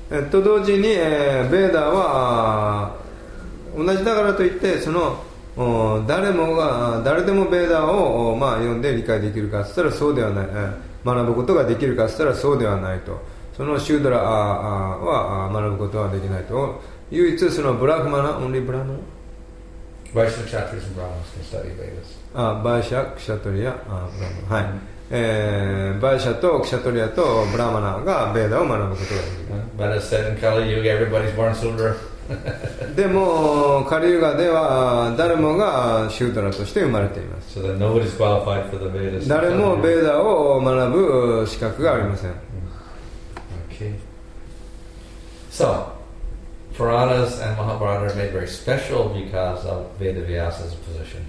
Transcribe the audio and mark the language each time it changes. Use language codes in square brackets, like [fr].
[ja] と同時に、ベーダは同じだからといってその誰でもベーダを読んで理解できるかといったらそうではない、学ぶことができるかといったらそうではないとそのシュードラは学ぶことはできないと唯一そのブラフマナオンリーブラマナ [en] バイシャクシャトリアブラマナ can study Vedas [ja] バイシャクシャトリアブラマナはい、バイシャとクシャトリアとブラマナがベーダを学ぶことができる [en] But as said in Kali Yuga, everybody's born Sudra. [ja] でも、Kali Yuga では誰もがシュードラとして生まれています。 [en] So that nobody's qualified for the Vedas. [ja] 誰もベーダを学ぶ資格がありません。 [en] Okay. So, Puranas and Mahabharata are made very special because of Vedavyasa's position.